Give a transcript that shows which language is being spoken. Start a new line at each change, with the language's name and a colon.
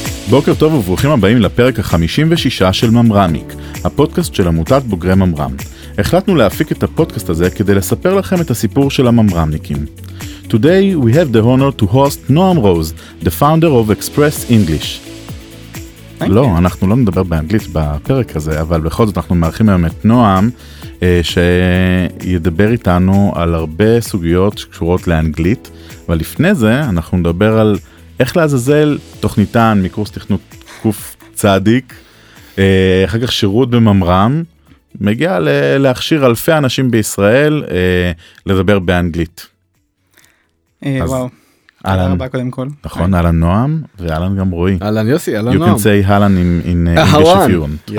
Hebrew: בוקר טוב וברוכים הבאים לפרק ה-56 של ממרמיק, הפודקאסט של עמותת בוגרי ממרם. החלטנו להפיק את הפודקאסט הזה כדי לספר לכם את הסיפור של הממרמניקים.
English: Today we have the honor to host Noam Rose, the founder of Express English.
Hebrew: לא, אנחנו לא נדבר באנגלית בפרק הזה, אבל בכל זאת אנחנו מארחים היום את נועם, שידבר איתנו על הרבה סוגיות שקשורות לאנגלית, אבל לפני זה אנחנו נדבר על איך להזזל תוכניתן מקורס תכנות קוף צדיק, אחר כך שירות בממרם, מגיע להכשיר אלפי אנשים בישראל לדבר באנגלית. אהלן, תודה רבה קודם כל. נכון, אהלן נועם, ואהלן גם רועי. אהלן יוסי, אהלן
English: נועם. You can say אהלן in English if you want.